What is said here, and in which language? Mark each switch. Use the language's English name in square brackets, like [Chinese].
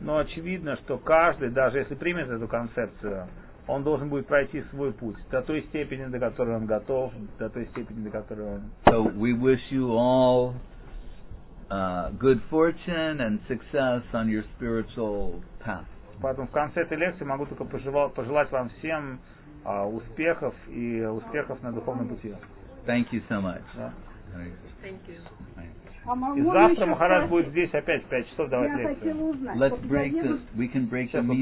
[Russian] Но очевидно, что каждый, даже если примет эту концепцию, он должен будет пройти свой путь до той степени, до которой он готов, до той степени, до которой он. [English] So we wish you all good fortune and success on your spiritual path. [Russian] Поэтому в конце этой лекции могу только пожелать вам всем успехов и успехов на духовном пути. [English] Thank you so much. Thank you. [Russian] И завтра Махарадж будет здесь опять в 5 часов давать лекции. [English] Let's break this. We can break the meeting.